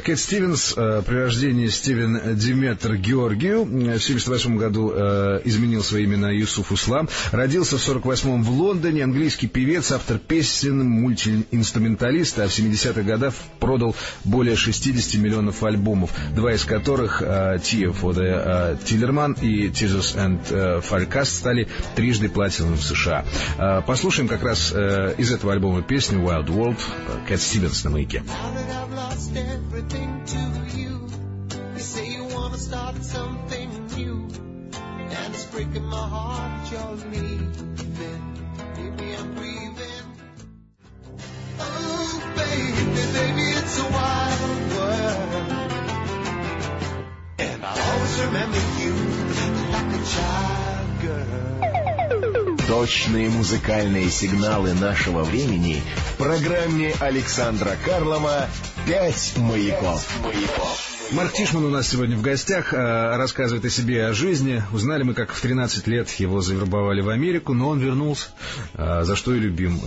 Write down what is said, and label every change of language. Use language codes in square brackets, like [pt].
[ru] Кэт Стивенс, при рождении Стивен Деметр Георгию, в 1978 году изменил свое имя на Юсуф Ислам, родился в 1948 в Лондоне, английский певец, автор песен, мультиинструменталист, а в 70-х годах продал более 60 миллионов альбомов, два из которых Тия Фода Тиллерман и Тизус энд Фалькаст стали трижды платиновым в США. Послушаем как раз из этого альбома песню Wild World, Кэт Стивенс на маяке. [en] Everything to you. You say you wanna start something new, and it's breaking my heart. You're leaving. Baby, I'm grieving. Oh, baby, baby, it's a wild world, and I'll always remember you like a child girl. [ru] Точные музыкальные сигналы нашего времени в программе Александра Карлова «Пять маяков». Марк Тишман у нас сегодня в гостях, рассказывает о себе и о жизни. Узнали мы, как в 13 лет его завербовали в Америку, но он вернулся, за что и любим.